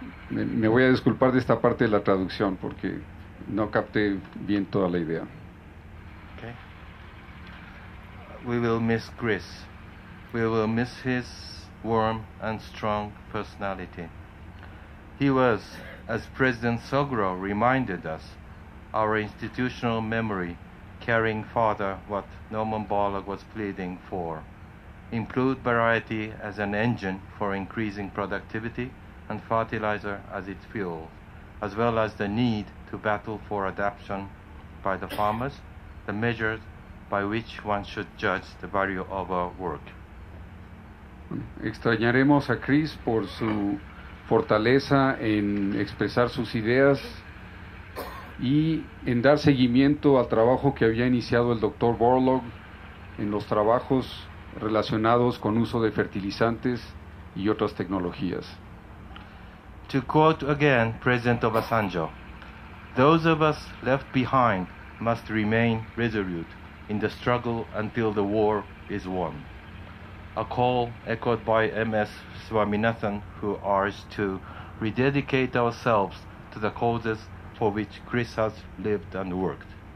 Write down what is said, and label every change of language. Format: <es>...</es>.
<es>Me voy a disculpar de esta parte de la traducción porque no capté bien toda la idea.</es> <en>Okay. We will miss Chris. We will miss his warm and strong personality. He was, as President Sogro reminded us, our institutional memory, carrying farther what Norman Borlaug was pleading for. Include variety as an engine for increasing productivity, and fertilizer as its fuel, as well as the need to battle for adaptation by the farmers, the measures by which one should judge the value of our work.</en> <es>Extrañaremos a Chris por su fortaleza en expresar sus ideas y en dar seguimiento al trabajo que había iniciado el Dr. Borlaug en los trabajos relacionados con uso de fertilizantes y otras tecnologías.</es> <en>To quote again President Obasanjo, those of us left behind must remain resolute in the struggle until the war is won. A call echoed by M.S. Swaminathan, who urged to rededicate ourselves to the causes for which Chris has lived and worked.</en>